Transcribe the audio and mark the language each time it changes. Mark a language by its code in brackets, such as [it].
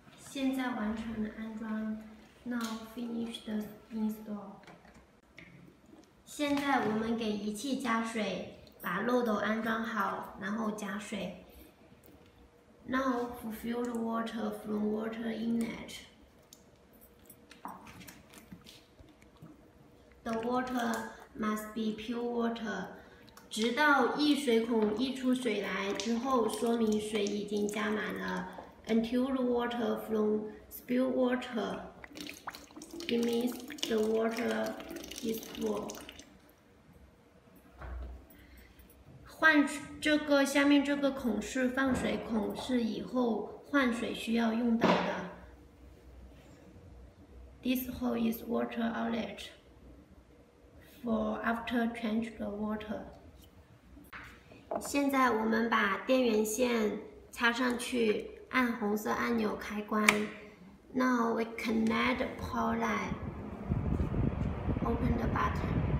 [zh] 现在完成了安装 ， [en] Now finish the install。 [zh] 现在我们给仪器加水，把漏斗安装好，然后加水。 [en] Now fulfill the water from water inlet. The water must be pure water. [zh] 直到一水孔溢出水来之后，说明水已经加满了。 [en] Until the water from spill water, it means the water is full. [zh] 换这个下面这个孔是放水孔，是以后换水需要用到的。 [en] This hole is water outlet. For after change the water. [zh] 现在我们把电源线插上去，按红色按钮开关。 [en] Now we connect the power line. Open the button.